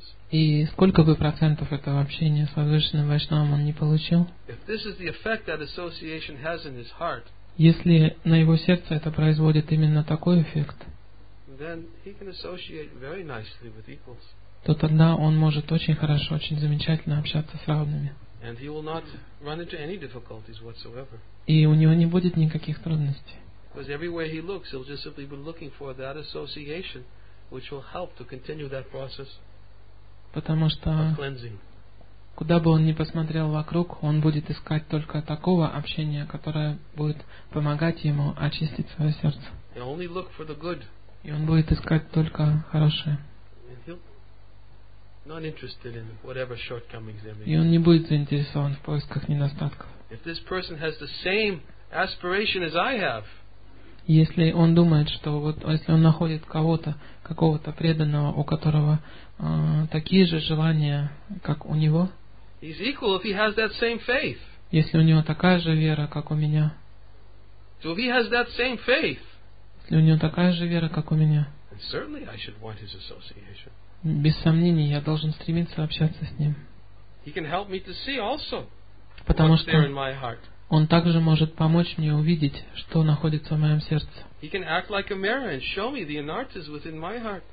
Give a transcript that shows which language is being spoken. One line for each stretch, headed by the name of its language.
Russian: И сколько бы процентов этого общения с возвышенным вайшнавом он не получил, если на его сердце это производит именно такой эффект, то тогда он может очень хорошо, очень замечательно общаться с равными.
English: And he will not run into any difficulties whatsoever.
Russian: И у него не будет никаких трудностей.
English: Because everywhere he looks, he'll just simply be looking for that association, which will help to continue that process.
Russian: Потому что куда бы он ни посмотрел вокруг, он будет искать только такого общения, которое будет помогать ему очистить свое сердце.
English: He'll only look for the good.
Russian: И он будет искать только хорошее.
English: Not interested in whatever shortcomings there may be.
Russian: И он не будет заинтересован в поисках недостатков.
English: If this person has the same aspiration as I have,
Russian: если он думает, что вот если он находит кого-то, какого-то преданного, у которого такие же желания, как у него,
English: he's equal if he has that same faith.
Russian: Если у него такая же вера, как у меня,
English: so if he has that same faith,
Russian: если у него такая же вера, как у меня,
English: then certainly I should want his association.
Russian: Без сомнений, я должен стремиться общаться с ним.
English: He can help me to see also,
Russian: потому что он также может помочь мне увидеть, что находится в моем сердце.